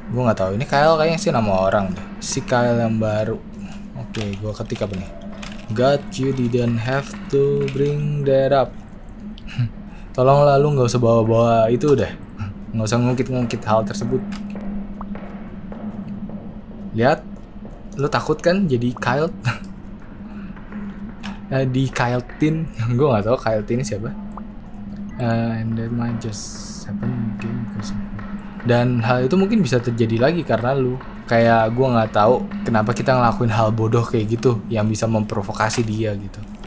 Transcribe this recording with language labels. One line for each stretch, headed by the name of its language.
Indonesian: Gua gak tahu ini Kyle kayaknya sih nama orang deh. Si Kyle yang baru. Oke, gua ketik apa nih.
English: God, you didn't have to bring that up.
Indonesian: Tolonglah lu gak usah bawa-bawa itu deh. Gak usah ngungkit-ngungkit hal tersebut. Lihat. Lo takut kan jadi Kyle? Di Kyle Teen. Gue gak tau Kyle Teen ini siapa.
English: And that might just happen again because of...
Indonesian: Dan hal itu mungkin bisa terjadi lagi karena lu. Kayak gue gak tau kenapa kita ngelakuin hal bodoh kayak gitu yang bisa memprovokasi dia gitu.